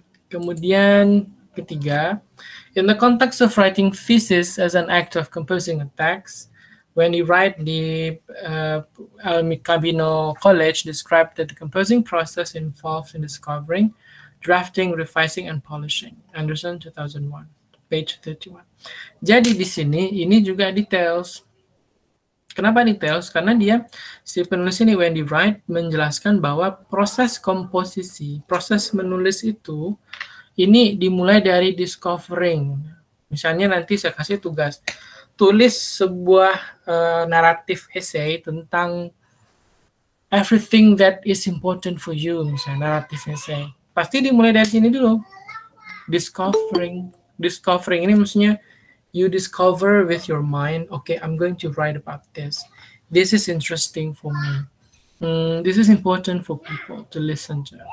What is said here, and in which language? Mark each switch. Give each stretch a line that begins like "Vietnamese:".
Indonesian: Kemudian ketiga,
English: in the context of writing thesis as an act of composing a text, when you write the Almicabino College described that the composing process involves in discovering, drafting, revising, and polishing. Anderson 2001, page 31.
Indonesian: Jadi di sini, ini juga details. Kenapa details? Karena dia, si penulis ini, Wendy Wright, menjelaskan bahwa proses komposisi, proses menulis itu, ini dimulai dari discovering. Misalnya nanti saya kasih tugas, tulis sebuah naratif essay tentang
English: everything that is important for you,
Indonesian: misalnya naratif essay. Pasti dimulai dari sini dulu.
English: Discovering. Discovering
Indonesian: ini maksudnya
English: you discover with your mind, okay, I'm going to write about this. This is interesting for me. This is important for people to listen to.